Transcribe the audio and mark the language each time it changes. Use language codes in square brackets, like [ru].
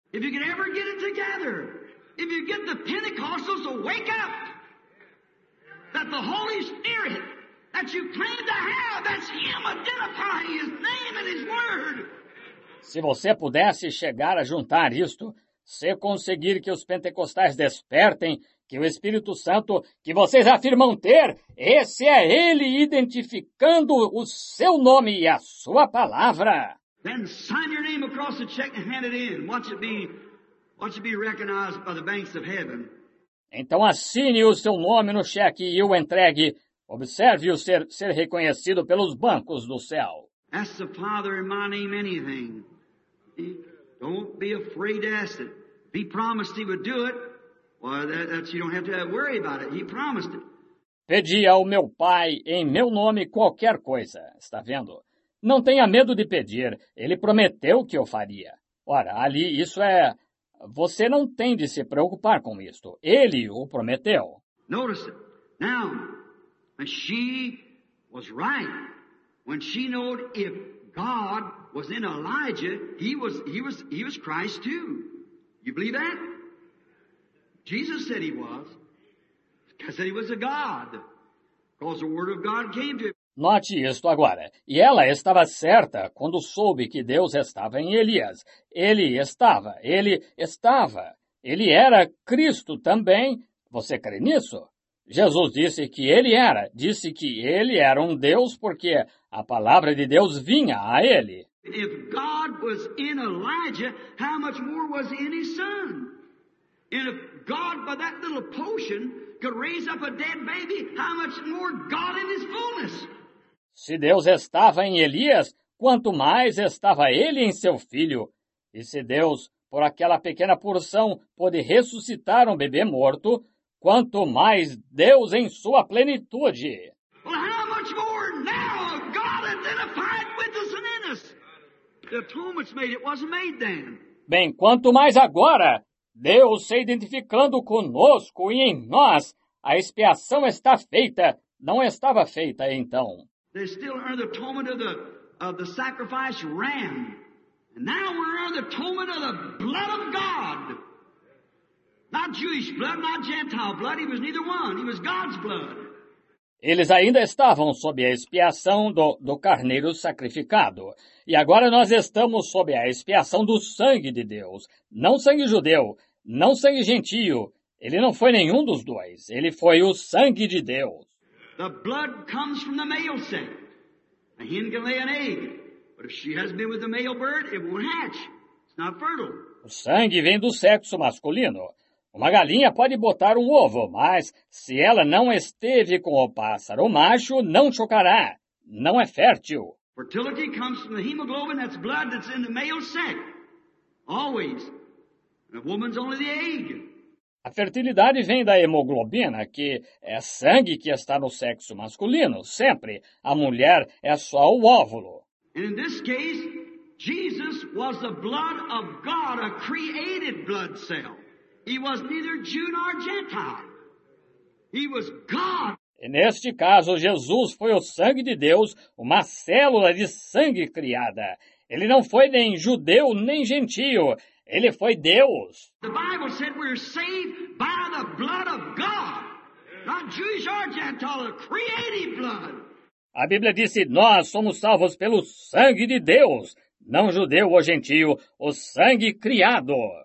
[en] If you can ever get it together, if you get the Pentecostals to wake up, that the Holy Spirit that you claim to have, that's Him identifying His name and His word. [pt] Se você pudesse chegar a juntar isto, se conseguir que os pentecostais despertem, que o Espírito Santo, que vocês afirmam ter, esse é Ele identificando o seu nome e a sua palavra. [en] Then sign your name across the check and hand it in. Watch it be recognized by the banks of heaven. [pt] Então assine o seu nome no cheque e o entregue. Observe-o ser reconhecido pelos bancos do céu. [en] Ask the Father in my name anything. Don't be afraid to ask it. He promised He would do it. Well, that's, you don't have to worry about it. He promised it. [pt] Pedi ao meu Pai em meu nome qualquer coisa. Está vendo? Não tenha medo de pedir. Ele prometeu que eu faria. Ora, ali, isso é... Você não tem de se preocupar com isto. Ele o prometeu. [en] Notice it. Now, she was right. When she knew if God was in Elijah, he was Christ too. You believe that? Jesus said he was. Because he was a God. Because the word of God came to him. [pt] Note isto agora. E ela estava certa quando soube que Deus estava em Elias. Ele estava. Ele era Cristo também. Você crê nisso? Jesus disse que ele era. Disse que ele era um Deus porque a palavra de Deus vinha a ele. [en] If God was in Elijah, how much more was in his son? And if God, by that little potion, could raise up a dead baby, how much more God in his fullness? [pt] Se Deus estava em Elias, quanto mais estava ele em seu filho? E se Deus, por aquela pequena porção, pôde ressuscitar um bebê morto, quanto mais Deus em sua plenitude? [en] Well, how much more now God identified with us and in us? The atonement's made, it wasn't made then. [pt] Bem, quanto mais agora Deus se identificando conosco e em nós, a expiação está feita, não estava feita então. [en] They still are the atonement of the sacrifice ram. And now we're under the atonement of the blood of God. Not Jewish blood, not Gentile blood. He was neither one. He was God's blood. [pt] Eles ainda estavam sob a expiação do carneiro sacrificado. E agora nós estamos sob a expiação do sangue de Deus. Não sangue judeu, não sangue gentio. Ele não foi nenhum dos dois. Ele foi o sangue de Deus. [en] The blood comes from the male set. A hen can lay an egg. But if she hasn't been with the male bird, it won't hatch. It's not fertile. [pt] O sangue vem do sexo masculino. Uma galinha pode botar um ovo, mas se ela não esteve com o pássaro macho, não chocará. Não é fértil. [en] Fertility comes from the hemoglobin, that's blood that's in the male sac. Always. And a woman's only the egg. [pt] A fertilidade vem da hemoglobina, que é sangue que está no sexo masculino. Sempre a mulher é só o óvulo. [en] And in this case, Jesus was the blood of God, a created blood cell. He was neither Jew nor Gentile. He was God. [pt] E neste caso, Jesus foi o sangue de Deus, uma célula de sangue criada. Ele não foi nem judeu nem gentio. Ele foi Deus. [en] The Bible said we're saved by the blood of God. Not Jewish or Gentile, the created blood. [pt] A Bíblia disse, nós somos salvos pelo sangue de Deus. Não judeu ou gentio, o sangue criado.